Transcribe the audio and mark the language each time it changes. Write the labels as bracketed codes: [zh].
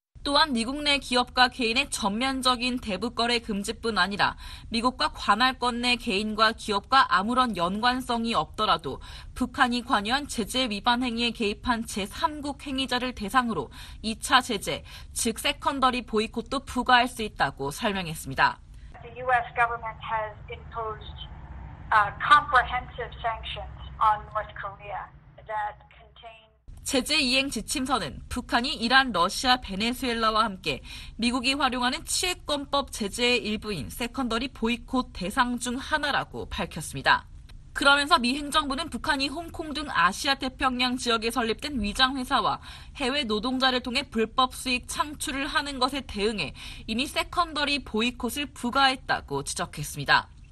[ko] 또한 미국 내 기업과 개인의 전면적인 대북 거래 금지뿐 아니라 미국과 관할권 내 개인과 기업과 아무런 연관성이 없더라도 북한이 관여한 제재 위반 행위에 개입한 제3국 행위자를 대상으로 2차 제재, 즉 세컨더리 보이콧도 부과할 수 있다고 설명했습니다. [en] The US government has imposed comprehensive sanctions on North Korea that [ko] 제재 이행 지침서는 북한이 이란, 러시아, 베네수엘라와 함께 미국이 활용하는 치외권법 제재의 일부인 세컨더리 보이콧 대상 중 하나라고 밝혔습니다. 그러면서 미 행정부는 북한이 홍콩 등 아시아 태평양 지역에 설립된 위장회사와 해외 노동자를 통해 불법 수익 창출을 하는 것에 대응해 이미 세컨더리 보이콧을 부과했다고 지적했습니다.